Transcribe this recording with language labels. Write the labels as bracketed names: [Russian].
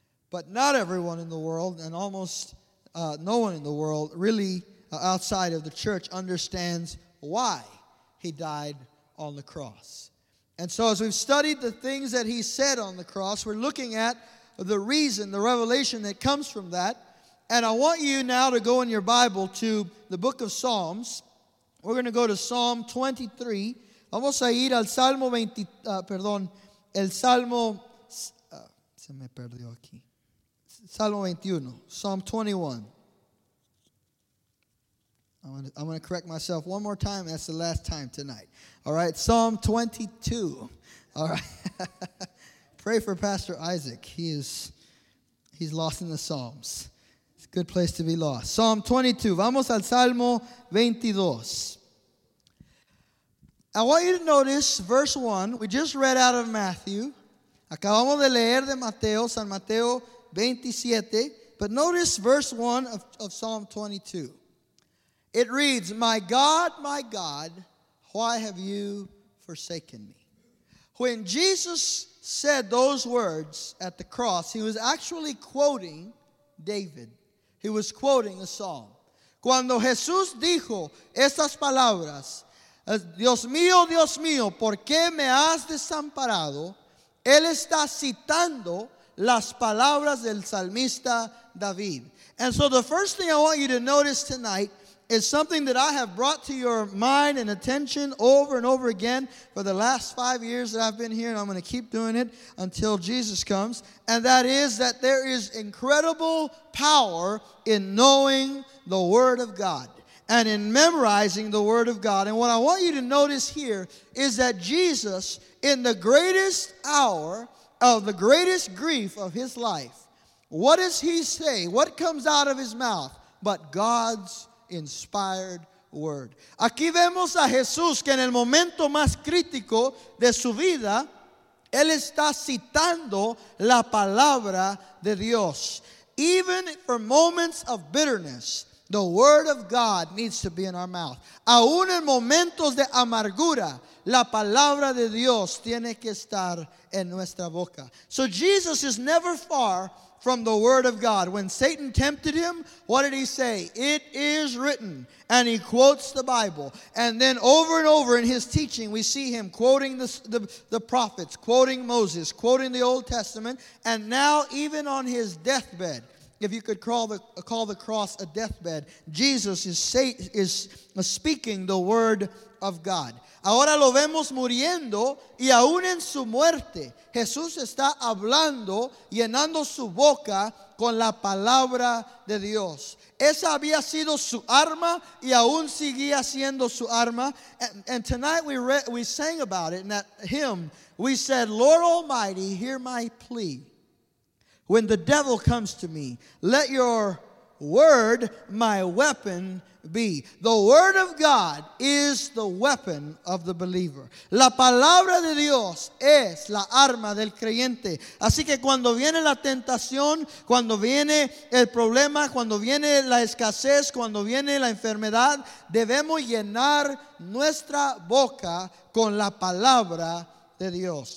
[English] But not everyone in the world, and almost no one in the world, really outside of the church, understands why he died on the cross. And so as we've studied the things that he said on the cross, we're looking at the reason, the revelation that comes from that. And I want you now to go in your Bible to the book of Psalms. We're going to go to Psalm 23. [Spanish] Vamos a ir al Salmo 20, el Salmo, se me perdió aquí, Salmo 21, [English] Psalm 21. I'm going to correct myself one more time, that's the last time tonight. All right, Psalm 22, all right. Pray for Pastor Isaac, he's lost in the Psalms. It's a good place to be lost. Psalm 22, [Spanish] vamos al Salmo 22. [English] I want you to notice verse 1. We just read out of Matthew. [Spanish] Acabamos de leer de Mateo, San Mateo 27. [English] But notice verse 1 of Psalm 22. It reads, my God, why have you forsaken me? When Jesus said those words at the cross, he was actually quoting David. He was quoting a psalm. [Spanish] Cuando Jesús dijo estas palabras, Dios mío, ¿por qué me has desamparado? Él está citando las palabras del salmista David. [English] And so the first thing I want you to notice tonight is something that I have brought to your mind and attention over and over again for the last 5 years that I've been here, and I'm going to keep doing it until Jesus comes, and that is that there is incredible power in knowing the Word of God. And in memorizing the word of God. And what I want you to notice here is that Jesus, in the greatest hour of the greatest grief of his life, what does he say? What comes out of his mouth? But God's inspired word. [Spanish] Aquí vemos a Jesús que en el momento más crítico de su vida, él está citando la palabra de Dios. [English] Even for moments of bitterness, the word of God needs to be in our mouth. [Spanish] Aún en momentos de amargura, la palabra de Dios tiene que estar en nuestra boca. [English] So Jesus is never far from the word of God. When Satan tempted him, what did he say? It is written. And he quotes the Bible. And then over and over in his teaching, we see him quoting the prophets, quoting Moses, quoting the Old Testament. And now even on his deathbed, if you could call the cross a deathbed, Jesus is speaking the word of God. [Spanish] Ahora lo vemos muriendo y aún en su muerte, Jesús está hablando, llenando su boca con la palabra de Dios. Esa había sido su arma y aún seguía siendo su arma. [English] And tonight we sang about it in that hymn. We said, Lord Almighty, hear my plea. When the devil comes to me, let your word my weapon be. The word of God is the weapon of the believer. [Spanish] La palabra de Dios es la arma del creyente. Así que cuando viene la tentación, cuando viene el problema, cuando viene la escasez, cuando viene la enfermedad, debemos llenar nuestra boca con la palabra de Dios.